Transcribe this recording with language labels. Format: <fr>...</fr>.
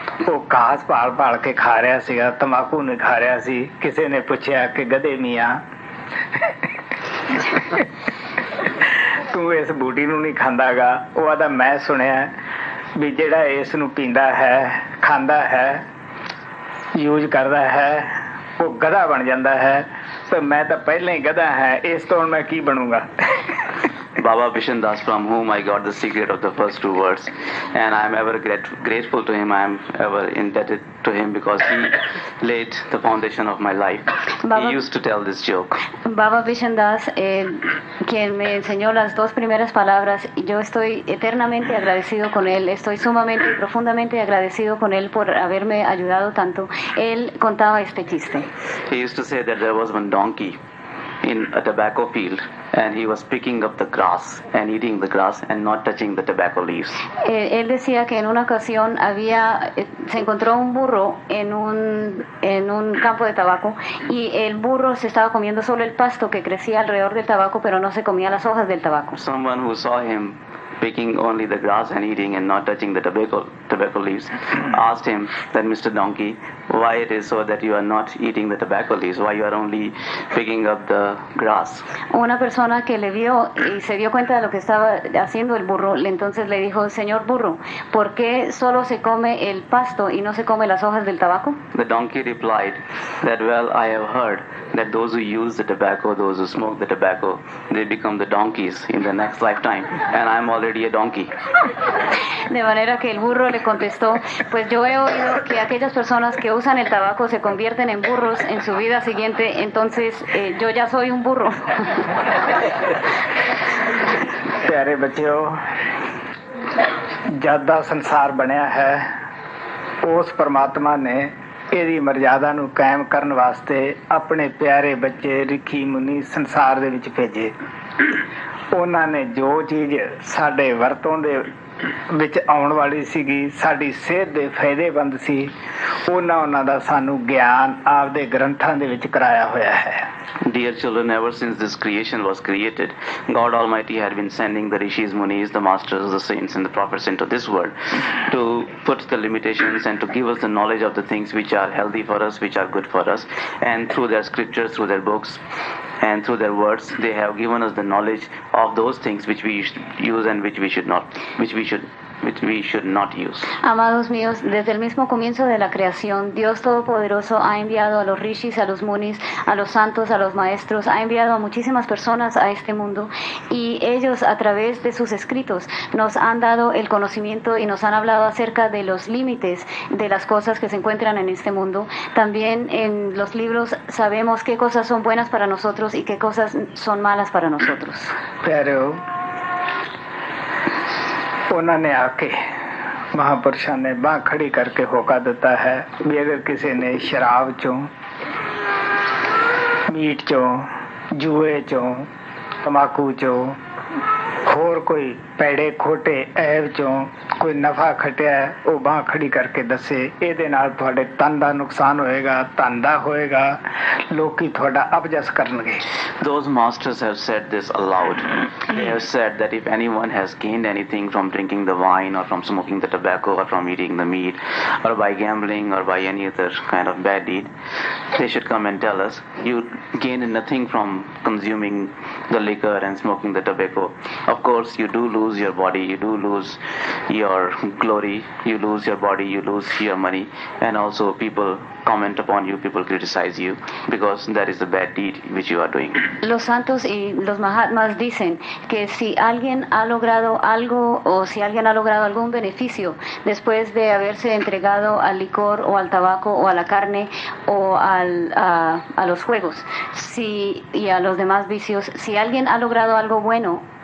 <pa>ਉਹ ਘਾਸ ਭਾਲ ਭਾਲ ਕੇ ਖਾ ਰਿਹਾ ਸੀਗਾ ਤੰਬਾਕੂ ਨੇ ਖਾ ਰਿਹਾ ਸੀ ਕਿਸੇ ਨੇ ਪੁੱਛਿਆ ਕਿ ਗਧੇ ਮੀਆਂ ਤੂੰ ਇਸ ਬੂਟੀ ਨੂੰ ਨਹੀਂ ਖਾਂਦਾ ਗਾ ਉਹ ਆਹਦਾ ਮੈਂ ਸੁਣਿਆ ਵੀ ਜਿਹੜਾ ਇਸ ਨੂੰ ਪੀਂਦਾ ਹੈ ਖਾਂਦਾ ਹੈ ਯੂਜ ਕਰਦਾ ਹੈ ਉਹ ਗਧਾ ਬਣ ਜਾਂਦਾ ਹੈ ਤੇ ਮੈਂ ਤਾਂ ਪਹਿਲਾਂ ਹੀ ਗਧਾ ਹੈ ਇਸ ਤੋਂ ਮੈਂ ਕੀ ਬਣੂੰਗਾ</pa> <en>Baba Vishindas, from whom I got the secret of the first two words, and I am ever grateful to him. I am ever indebted to him because he laid the foundation of my life. Baba, he used to tell this joke.</en> <es>Baba Vishindas, quien me enseñó las dos primeras palabras, yo estoy eternamente agradecido con él. Estoy sumamente y profundamente agradecido con él por haberme ayudado tanto. Él contaba este chiste.</es> <en>He used to say that there was one donkey in a tobacco field and he was picking up the grass and eating the grass and not touching the tobacco leaves.</en> <es>Él decía que en una ocasión había se encontró un burro en un campo de tabaco y el burro se estaba comiendo solo el pasto que crecía alrededor del tabaco pero no se comía las hojas del tabaco.</es> <en>Someone who saw him picking only the grass and eating and not touching the tobacco leaves asked him that Mr. Donkey, why it is so that you are not eating the tobacco leaves, why you are only picking up the grass.</en> <es>Una persona que le vio y se dio cuenta de lo que estaba haciendo el burro, entonces le dijo, señor burro, ¿por qué solo se come el pasto y no se come las hojas del tabaco?</es> <en>The donkey replied that, well, I have heard that those who use the tobacco, those who smoke the tobacco, they become the donkeys in the next lifetime, and I'm already a donkey.</en> <es>De manera que el burro le contestó, pues yo he oído que aquellas personas que usan el tabaco se convierten en burros en su vida siguiente, entonces yo ya soy un burro.</es> <pa>Pyare bachyo, jab da sansar banya hai, us parmatma ne ਇਹਦੀ ਮਰਿਆਦਾ ਨੂੰ ਕਾਇਮ ਕਰਨ ਵਾਸਤੇ ਆਪਣੇ ਪਿਆਰੇ ਬੱਚੇ ਰਿਖੀ ਮੁਨੀ ਸੰਸਾਰ ਦੇ ਵਿੱਚ ਭੇਜੇ ਉਹਨਾਂ ਨੇ ਜੋ ਚੀਜ਼ ਸਾਡੇ ਵਰਤੋਂ ਦੇ ਵਿੱਚ ਆਉਣ ਵਾਲੀ ਸੀਗੀ ਸਾਡੀ ਸਿਹਤ ਦੇ ਫਾਇਦੇਮੰਦ ਸੀ ਉਹਨਾਂ ਉਹਨਾਂ ਦਾ ਸਾਨੂੰ ਗਿਆਨ ਆਪਦੇ ਗ੍ਰੰਥਾਂ ਦੇ ਵਿੱਚ ਕਰਾਇਆ ਹੋਇਆ ਹੈ.</pa> <en>Dear children, ever since this creation was created, God Almighty had been sending the rishis, munis, the masters, the saints and the prophets into this world to put the limitations and to give us the knowledge of the things which are healthy for us, which are good for us, and through their scriptures, through their books and through their words, they have given us the knowledge of those things which we should use and which we should not use.</en> <es>Amados míos, desde el mismo comienzo de la creación, Dios Todopoderoso ha enviado a los rishis, a los munis, a los santos, a los maestros, ha enviado a muchísimas personas a este mundo y ellos a través de sus escritos nos han dado el conocimiento y nos han hablado acerca de los límites de las cosas que se encuentran en este mundo. También en los libros sabemos qué cosas son buenas para nosotros y qué cosas son malas para nosotros. Pero</es> <pa>ਉਹਨਾਂ ਨੇ ਆ ਕੇ ਮਹਾਂਪੁਰਸ਼ਾਂ ਨੇ ਬਾਂਹ ਖੜੀ ਕਰਕੇ ਹੋਕਾ ਦਿੱਤਾ ਹੈ ਵੀ ਅਗਰ ਕਿਸੇ ਨੇ ਸ਼ਰਾਬ 'ਚੋਂ ਮੀਟ 'ਚੋਂ ਜੂਏ 'ਚੋਂ ਤੰਬਾਕੂ 'ਚੋਂ ਹੋਰ ਕੋਈ ਪੈੜੇ ਖੋਟੇ ਐਬ 'ਚੋਂ ਕੋਈ ਨਫ਼ਾ ਖੱਟਿਆ ਉਹ ਬਾਂਹ ਖੜੀ ਕਰਕੇ ਦੱਸੇ ਇਹਦੇ ਨਾਲ ਤੁਹਾਡੇ ਤਨ ਦਾ ਨੁਕਸਾਨ ਹੋਏਗਾ ਧਨ ਦਾ ਹੋਏਗਾ ਲੋਕ ਤੁਹਾਡਾ ਅਪਜਸ ਕਰਨਗੇ.</pa> <en>Those masters have said this aloud. They have said that if anyone has gained anything from drinking the wine or from smoking the tobacco or from eating the meat or by gambling or by any other kind of bad deed, they should come and tell us, you gained nothing from consuming the liquor and smoking the tobacco. Of course, you do lose your body, you do lose your glory, you lose your body, you lose your money, and also people comment upon you, people criticize you, because that is the bad deed which you are doing.</en> <es>Los santos y los mahatmas dicen que si alguien ha logrado algo o si alguien ha logrado algún beneficio después de haberse entregado al licor o al tabaco o a la carne o a los juegos, si y a los demás vicios, si alguien ha logrado algo bueno</es>